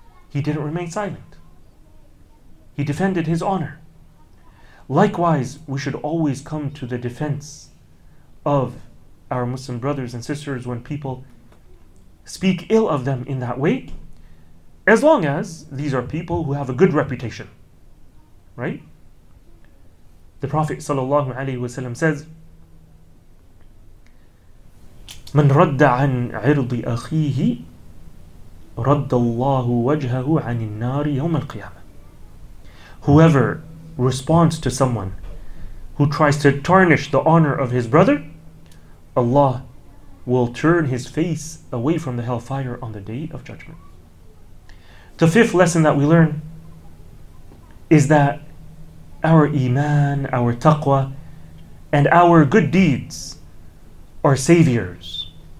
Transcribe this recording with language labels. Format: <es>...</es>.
<en>He didn't remain silent. He defended his honor. Likewise, we should always come to the defense of our Muslim brothers and sisters when people speak ill of them in that way, as long as these are people who have a good reputation. Right? The Prophet sallallahu alaihi wasallam says,</en> <ar>من رد عن عرض أخيه رد الله وجهه عن النار يوم القيامة.</ar> <en>Whoever responds to someone who tries to tarnish the honor of his brother, Allah will turn his face away from the hellfire on the day of judgment. The fifth lesson that we learn is that our iman, our taqwa, and our good deeds are saviors.</en>